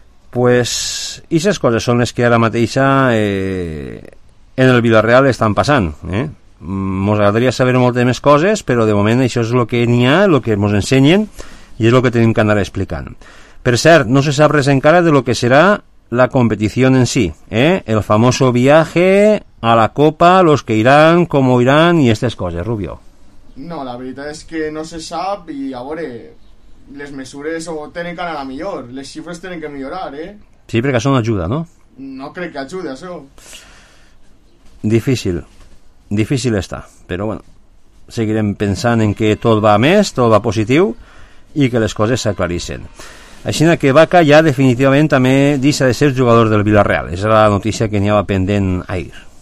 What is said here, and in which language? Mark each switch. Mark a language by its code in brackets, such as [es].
[ca] Pues, aquestes coses són les que ara mateix en el Villarreal estan passant. Ens agradaria saber moltes més coses, però de moment això és el que n'hi ha, el que ens ensenyen, i és el que tenim que anar explicant. Per cert, no se sap res encara de lo que serà [es] la competición en sí, el famoso viaje a la Copa, los que irán, cómo irán y estas cosas, Rubio. No, la verdad es que no se sabe y ahora [ca] les mesures [es] o tienen que ganar a mejor, les cifras tienen que mejorar, Sí, porque eso no ayuda, ¿no? No creo que ayude eso. Difícil, difícil está, pero bueno, [ca] seguirem pensant en que tot va a més, tot va positiu i que les coses s'aclarissin. Així que Vaca ja definitivament també deixa de ser jugador del Villarreal. És la notícia que n'hi hava pendent ahir.